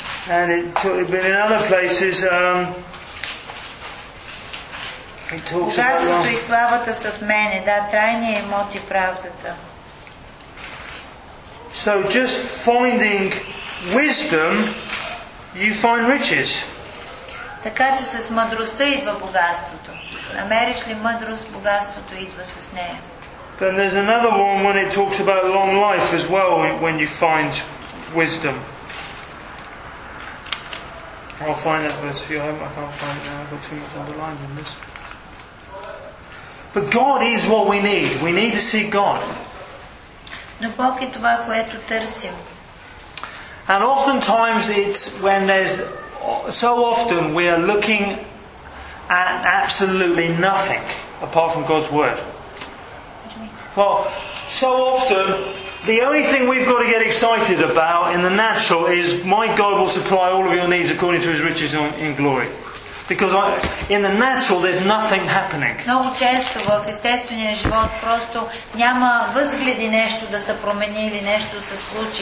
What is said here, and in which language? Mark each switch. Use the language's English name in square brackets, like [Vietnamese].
[English] And in other places, it talks about [Bulgarian] богатството и славата са в мене, да, трайния имот и правдата. [English] So just finding wisdom, you find riches. [Bulgarian] Така че с мъдростта идва богатството. Намериш ли мъдрост, богатството идва с нея. [English] Then there's another one when it talks about long life as well, when you find wisdom. I'll find that verse for you. I can't find it now. I've got too much underlined in this. But God is what we need. We need to see God. [Bulgarian] Но Бог е това, което търсим. [English] And oftentimes it's when there's... So often we are looking at absolutely nothing apart from God's Word. Well, so often, the only thing we've got to get excited about in the natural is my God will supply all of your needs according to His riches in glory. Because in the natural, there's nothing happening. [Bulgarian] Много често в естествения живот просто няма възгледи нещо да се промени или нещо се случи.